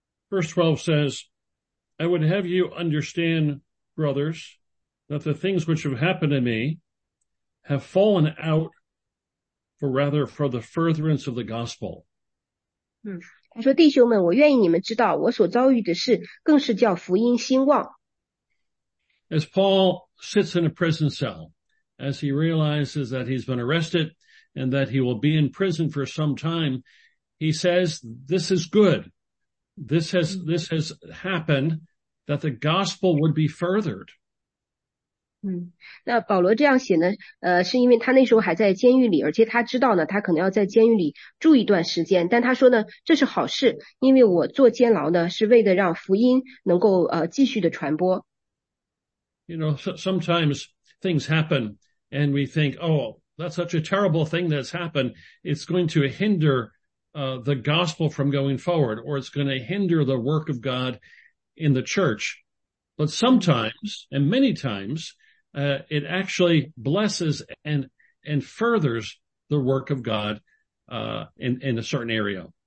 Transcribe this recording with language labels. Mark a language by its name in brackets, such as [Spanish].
[English] Verse 12 says, I would have you understand, brothers, that the things which have happened to me have fallen out for the furtherance of the gospel. [Chinese] 他说弟兄们我愿意你们知道我所遭遇的事更是叫福音兴旺。 [English] As Paul sits in a prison cell, as he realizes that he's been arrested and that he will be in prison for some time, he says, this is good. This has happened that the gospel would be furthered. [Chinese] 那保罗这样写呢，是因为他那时候还在监狱里，而且他知道呢，他可能要在监狱里住一段时间。但他说呢，这是好事，因为我坐监牢呢，是为了让福音能够继续的传播。 [English] You know, sometimes things happen and we think, oh, that's such a terrible thing that's happened. It's going to hinder the gospel from going forward, or it's going to hinder the work of God in the church. But sometimes, and many times, it actually blesses and furthers the work of God in a certain area.